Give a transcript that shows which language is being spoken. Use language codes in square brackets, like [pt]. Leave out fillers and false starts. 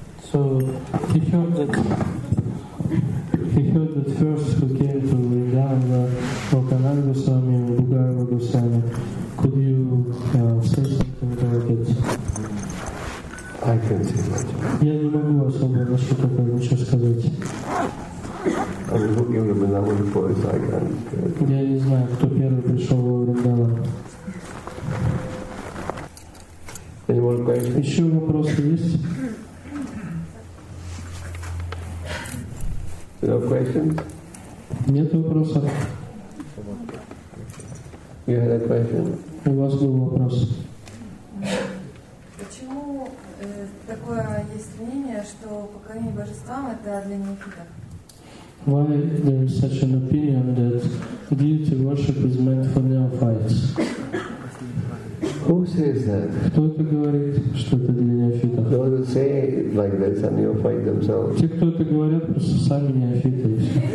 [en] So he heard that first who came to Vrindavan were Lakhnatha Goswami and Gugarbha Goswami. Could you say something about it? I can't say much. [ru] Я не могу особо что-то больше сказать. [en] I mean, who came to Vrindavan first? I can't. [ru] Я не знаю, кто первый пришел во Вриндаван. [en] Any more questions? [ru] Еще вопросы есть? [en] No questions? [ru] Нет вопросов. [en] You had a question? [ru] У вас был вопрос. Почему такое есть мнение, что поклонение божествам это для неофитов? [en] Why there is such an opinion that deity worship is meant for neophytes? Who says that? [ru] Кто это говорит, что это для неофитов? [en] Those who say like this are neophytes themselves. [ru] Те, кто это говорят, просто сами неофиты.